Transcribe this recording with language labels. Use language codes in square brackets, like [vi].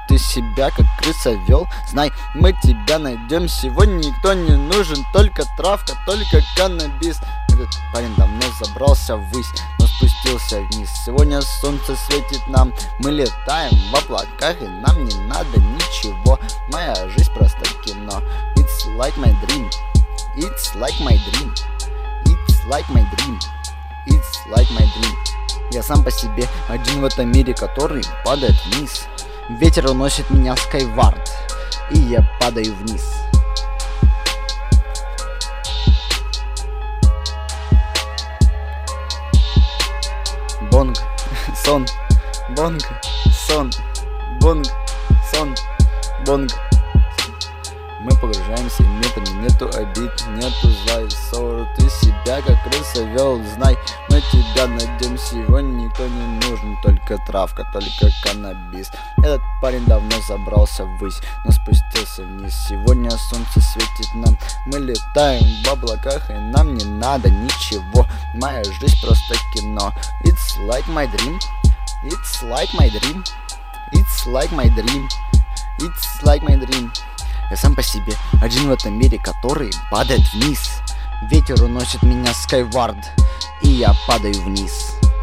[ru] Ты себя как крыса вел, знай, мы тебя найдем. Сегодня никто не нужен, только травка, только каннабис. Этот парень давно забрался ввысь, но спустился вниз. Сегодня солнце светит нам, мы летаем в облаках, и нам не надо ничего, моя жизнь просто кино. [en] It's like my dream, it's like my dream. Like my dream, it's like my dream. [ru] Я сам по себе один в этом мире, который падает вниз. Ветер уносит меня в Skyward, и я падаю вниз. Бонг, сон, бонг, сон, бонг, сон, бонг. Мы погружаемся в мир, нету обид, нету зла и ссор. Ты себя как крыса вел, знай, мы тебя найдем. Сегодня никто не нужен, только травка, только каннабис. Этот парень давно забрался ввысь, но спустился вниз. Сегодня солнце светит нам, мы летаем в облаках, и нам не надо ничего. Моя жизнь просто кино. [en] It's like my dream, it's like my dream, it's like my dream, it's like my dream. [ru] Я сам по себе один в этом мире, который падает вниз. Ветер уносит меня Skyward, и я падаю вниз.